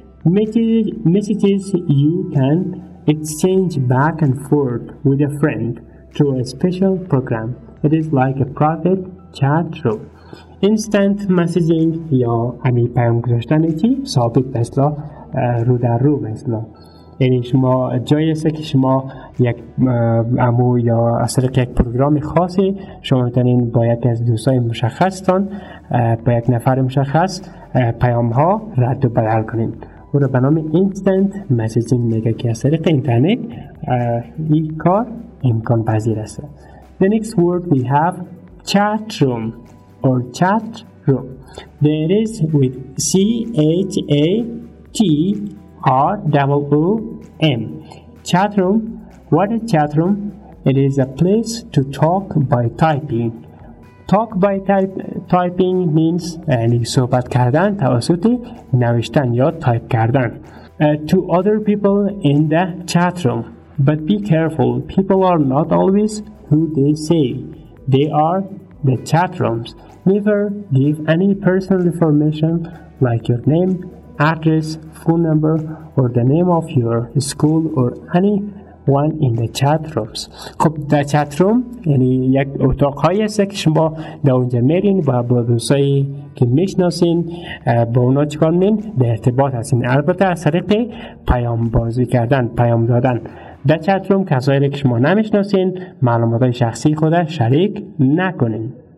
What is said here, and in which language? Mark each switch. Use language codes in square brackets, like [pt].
[en] Messages you can exchange back and forth with a friend through a special program. It is like a private chat room. [fa] Instant messaging یا همین پیام گذاشتن چی؟ ثابت مثلا رو در رو مثلا. یعنی شما جایی هست که شما یک امو یا از طریق یک پروگرام خاصی شما میتونین با یک از دوستای مشخصتان با یک نفر مشخص پیام ها رد و بدل کنین. و به نام instant messaging میگه که از طریق اینترنت این کار امکان پذیر است. [en] The next word we have chat room or chat room. There is with chatroom. Chat room. What is chat room? It is a place to talk by typing. Talk by typing means [fa] یعنی صحبت کردن توسط نوشتن یا تایپ کردن [en] to other people in the chat room. But be careful, people are not always who they say they are. The chat rooms never give any personal information like your name, address, phone number or the name of your school or any one in the chat rooms. [fa] خب در chat room یعنی یک اتاق هایی هست که شما در اونجا میرین و با دوستایی که میشناسین با اونا چکار میرین در ارتباط هستین، البته از طریق پیام بازی کردن، پیام دادن. در chat room کسایی که شما نمیشناسین معلومات های شخصی خود را شریک نکنین.